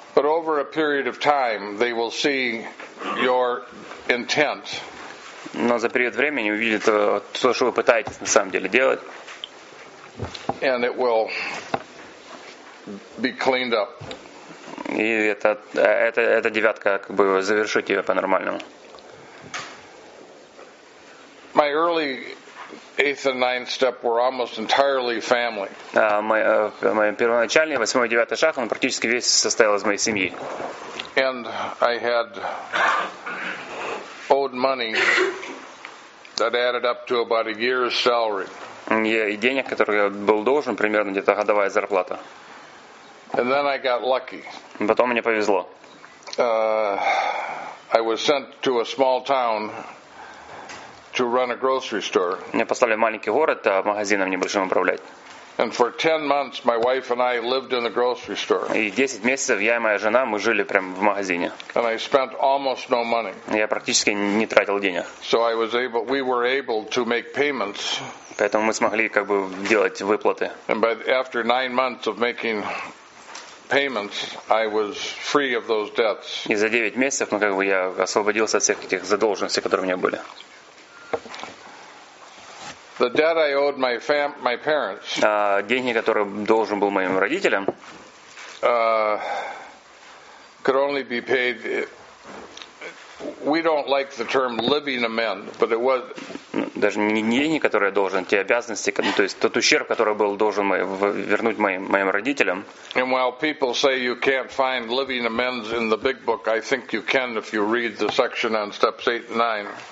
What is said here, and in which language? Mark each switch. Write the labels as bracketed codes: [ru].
[en] But over a period of time, they will see your intent. [ru] Но за период времени увидят то, что вы пытаетесь на самом деле делать. [en] and it will be cleaned up. [ru] И эта девятка как бы завершить ее по-нормальному. [en] My early 8th and 9th step were almost entirely family. [ru] Мой первоначальный 8-й и 9-й шаг, он практически весь состоял из моей семьи. [en] And I had owed money that added up to about a year's salary. [ru] И денег, которые я был должен, примерно где-то годовая зарплата. [en] And then I got lucky. [ru] Потом мне повезло. [en] I was sent to a small town to run a grocery store. [ru] Меня послали в маленький город, магазином небольшим управлять. [en] And for 10 months my wife and I lived in the grocery store. [ru] И 10 месяцев я и моя жена мы жили прямо в магазине. [en] And I spent almost no money. [ru] Я практически не тратил денег. [en] So I was able, we were able to make payments. [ru] Поэтому мы смогли как бы делать выплаты. [en] And after 9 months of making payments, I was free of those debts. [ru] И за 9 месяцев мы как бы я освободился от всех этих задолженностей, которые у меня были. [en] The debt I owed my my parents. [ru] Деньги, которые должен был моим родителям, [en] could only be paid. We don't like the term living amend, but it was. [ru] Даже не деньги, которые я должен, те обязанности, то есть тот ущерб, который был должен вернуть моим родителям. [en] And while people say you can't find living amends in the big book, I think you can if you read the section on steps 8 and 9.